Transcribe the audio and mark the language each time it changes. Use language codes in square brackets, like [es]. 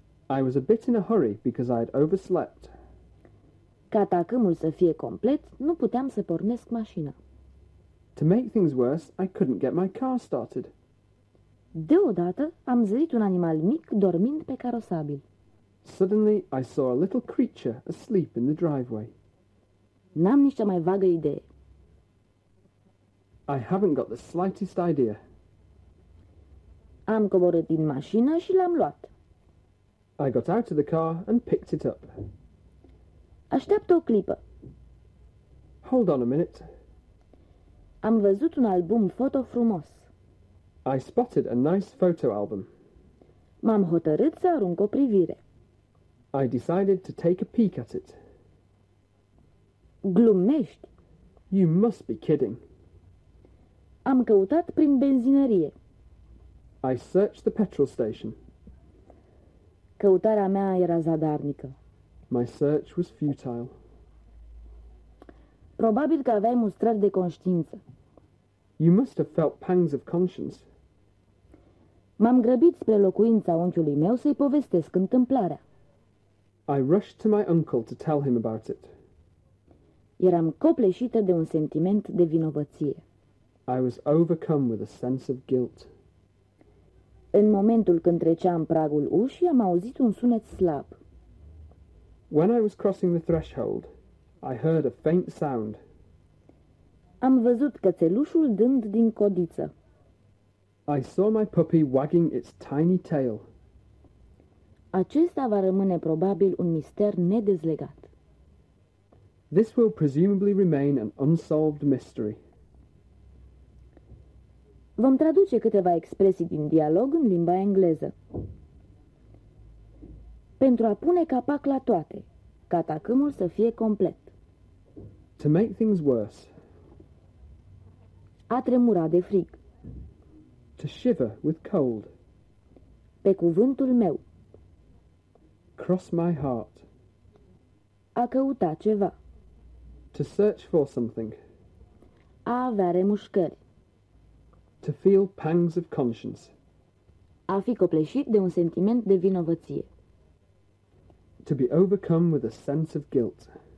[en] I was a bit in a hurry because I had overslept. [ro] Ca tacâmul să fie complet, nu puteam să pornesc mașina. [en] To make things worse, I couldn't get my car started. [ro] Deodată am zărit un animal mic dormind pe carosabil. [en] Suddenly, I saw a little creature asleep in the driveway. [ro] N-am nici cea mai vagă idee. [en] I haven't got the slightest idea. [ro] Am coborât din mașină și l-am luat. [en] I got out of the car and picked it up. [ro] Așteaptă o clipă. [en] Hold on a minute. [ro] Am văzut un album foto frumos. [en] I spotted a nice photo album. [ro] M-am hotărât să arunc o privire. [en] I decided to take a peek at it. [ro] Glumești? [en] You must be kidding. [ro] Am căutat prin benzinărie. [en] I searched the petrol station. [ro] Căutarea mea era zadarnică. [en] My search was futile. [ro] Probabil că aveai mustrări de conștiință. [en] You must have felt pangs of conscience. [ro] M-am grăbit spre locuința unchiului meu să-i povestesc întâmplarea. [en] I rushed to my uncle to tell him about it. [ro] Eram copleșită de un sentiment de vinovăție. [en] I was overcome with a sense of guilt. [ro] În momentul când treceam pragul ușii, am auzit un sunet slab. [en] When I was crossing the threshold, I heard a faint sound. [ro] Am văzut cățelușul dând din codiță. [en] I saw my puppy wagging its tiny tail. [ro] Acesta va rămâne probabil un mister nedezlegat. [en] This will presumably remain an unsolved mystery. [ro] Vom traduce câteva expresii din dialog în limba engleză. Pentru a pune capac la toate, ca tacâmul să fie complet. [en] To make things worse. [ro] A tremura de frig. [en] To shiver with cold. [ro] Pe cuvântul meu. [en] Cross my heart. [ro] A căuta ceva. [en] To search for something. [ro] A avea remușcări. [en] To feel pangs of conscience. [ro] A fi copleșit de un sentiment de vinovăție. [en] To be overcome with a sense of guilt.